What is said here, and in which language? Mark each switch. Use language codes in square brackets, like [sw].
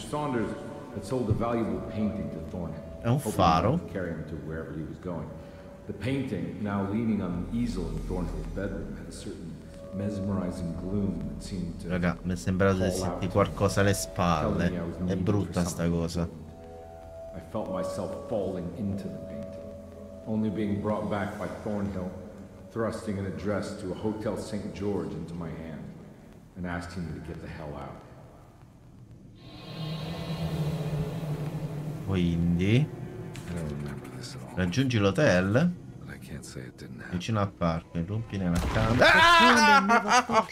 [en] Saunders had sold a valuable painting to Thornhill, [it] È un faro. [en] hoping to carry him to wherever he was going. The painting, now leaning on an easel in Thornhill's bedroom, had a certain mesmerizing gloom that seemed to [it] Raga, mi è sembrato di sentire qualcosa alle spalle. È brutta sta cosa. [en] I felt myself falling into the painting, only being brought back by Thornhill, thrusting an address to a Hotel St. George into my hand, and asking me to get the hell out. [it] Quindi raggiungi l'hotel vicino al parco e rompi nella camera.